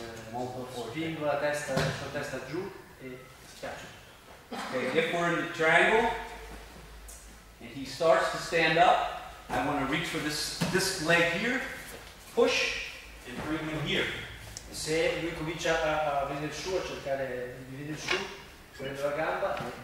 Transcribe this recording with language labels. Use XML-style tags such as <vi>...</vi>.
<it>Spingo la testa verso la testa giù e schiaccio.</it> <en>Okay, if we're in the triangle and he starts to stand up, I want to reach for this leg here, push and bring him here.</en> <it>Se lui comincia a venire su, a cercare di venire su, prendo la gamba.</it>